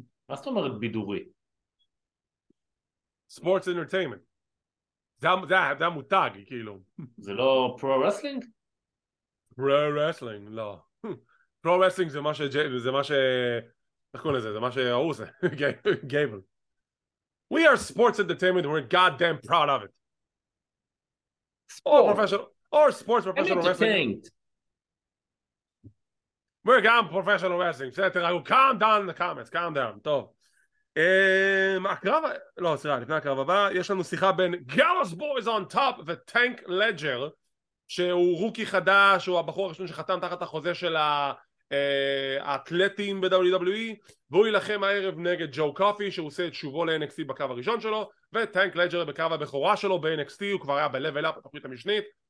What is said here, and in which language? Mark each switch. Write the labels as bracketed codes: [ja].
[he] מה זאת אומרת בידורי? Sports Entertainment. זה המותג, כאילו. זה לא פרו-רסלינג? פרו-רסלינג, לא. פרו-רסלינג זה מה ש... איך קוראים לזה? זה מה שהוא עושה. גייבל. [en] We are Sports Entertainment, we're goddamn proud of it. Or sports professional wrestling. We're going professional wrestling. Calm down in the comments. Calm down. [he] טוב. הקרב... לא, סליחה, לפני הקרב הבא, יש לנו שיחה בין Gallows Boys on Top וטנק לג'ר, שהוא רוקי חדש, הוא הבחור הראשון שחתם תחת החוזה של האתלטים ב-WWE, והוא ילחם הערב נגד ג'ו קופי, שהוא עושה את שובו ל-NXT בקרב הראשון שלו, וטנק לג'ר בקרב הבכורה שלו ב-NXT, הוא כבר היה ב-Level Up, התוכנית המשנית.